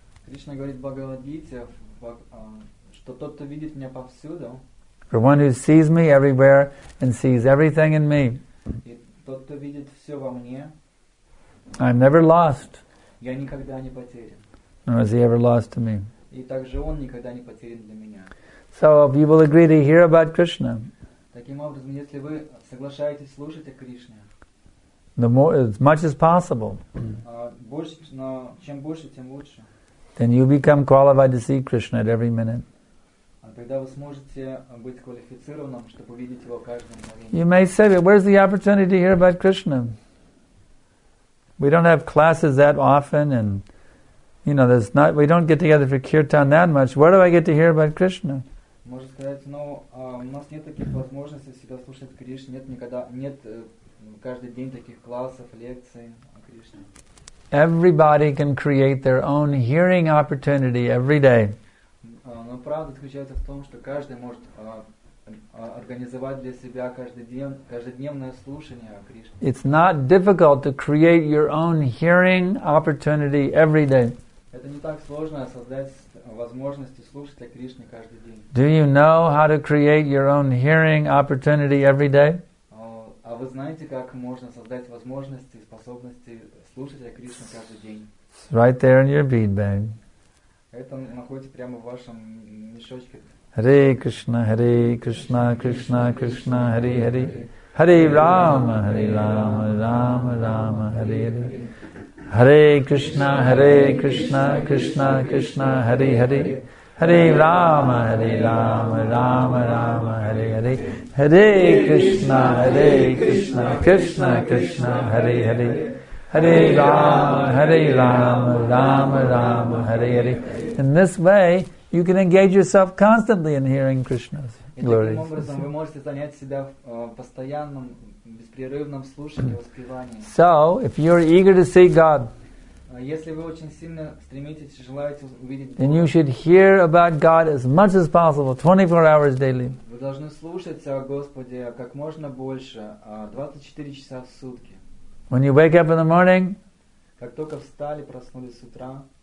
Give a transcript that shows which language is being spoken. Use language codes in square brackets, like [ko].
[ru] Krishna говорит в Бхагавад Гите, что тот, кто видит меня повсюду, [en] for one who sees me everywhere and sees everything in me, [ru] и тот, кто видит все во мне, [en] I'm never lost. [ru] Я никогда не потерян. [en] Nor is he ever lost to me. [ru] И также он никогда не потерян для меня. [en] So if you will agree to hear about Krishna, [ru] таким образом, если вы соглашаетесь слушать о Кришне, [en] the more, as much as possible, [ru] больше, но чем больше, тем лучше. [en] Then you become qualified to see Krishna at every minute. [ru] Тогда вы сможете быть квалифицированным, чтобы видеть его каждый день. [en] You may say, but where's the opportunity to hear about Krishna? We don't have classes that often, and you know, there's not. We don't get together for kirtan that much. Where do I get to hear about Krishna? [ru] Можно сказать, но у нас нет таких возможностей всегда слушать Кришну. Нет никогда, нет каждый день таких классов, лекций о Кришне. [en] Everybody can create their own hearing opportunity every day. [ru] Но правда заключается в том, что каждый может организовать для себя каждый день каждодневное слушание о Кришне. [en] It's not difficult to create your own hearing opportunity every day. [ru] Это не так сложно создать возможности слушать о Кришне каждый день. [en] Do you know how to create your own hearing opportunity every day? [ru] А вы знаете, как можно создать возможности и способности слушать о Кришне каждый день? [en] It's right there in your bead bag. [ru] Это находится прямо в вашем мешочке. [sa] Hare Krishna, Hare Krishna, Krishna Krishna, Hare Hare. Hare Rama, Rama Rama, Hare Hare. Hare Krishna, Krishna Krishna, Hare Hare. Hare Rama, Hare Rama, Rama Rama, Hare Hare. Hare Krishna, Krishna Krishna, Hare Hare. Hare Rama, Hare Rama, Rama Rama, Hare Hare. [en] In this way, you can engage yourself constantly in hearing Krishna's glories. [ru] Таким образом, вы можете занять себя в постоянном, беспрерывном слушании, воспевании. [en] So, if you're eager to see God, [ru] если вы очень сильно стремитесь и желаете увидеть Бога, [en] then you should hear about God as much as possible, 24 hours daily. [ru] Вы должны слушать о Господе как можно больше, 24 часа в сутки. [en] When you wake up in the morning, [ru] как только встали, проснулись с утра,